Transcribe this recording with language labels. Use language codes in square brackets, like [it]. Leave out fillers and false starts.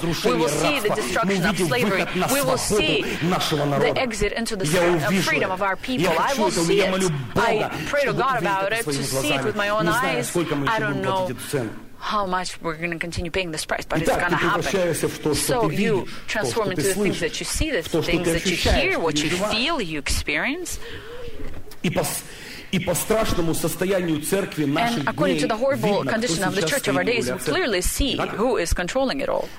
[en] We will see the destruction of slavery. We will see the exit into the spirit of freedom of our people. I will see it. I pray to God about it, to see it with my own eyes. I don't know how much we're going to continue paying this price, but it's going to happen. So you transform into the things that you see, the things that you hear, what you feel, you experience. [ru] И по страшному состоянию церкви наших [en] and [ru] дней, [en] according to the horrible condition of the church of our days, we clearly see who is controlling it all.